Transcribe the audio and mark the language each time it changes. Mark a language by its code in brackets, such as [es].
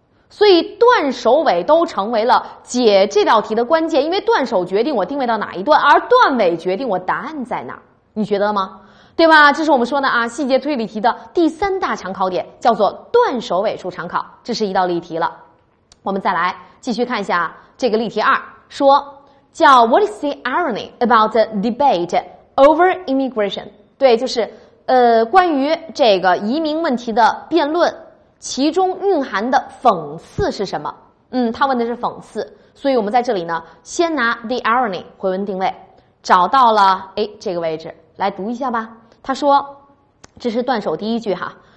[zh] 所以段首尾都成为了解这道题的关键，因为段首决定我定位到哪一段，而段尾决定我答案在哪，你觉得吗？对吧，这是我们说的啊，细节推理题的第三大常考点，叫做段首尾处常考，这是一道例题了。我们再来继续看一下这个例题二，说叫 [en] What is the irony about the debate over immigration？ [zh] 对，就是关于这个移民问题的辩论，其中蕴含的讽刺是什么？他问的是讽刺，所以我们在这里呢先拿 the irony 回文定位，找到了这个位置来读一下吧。他说，这是段首第一句哈，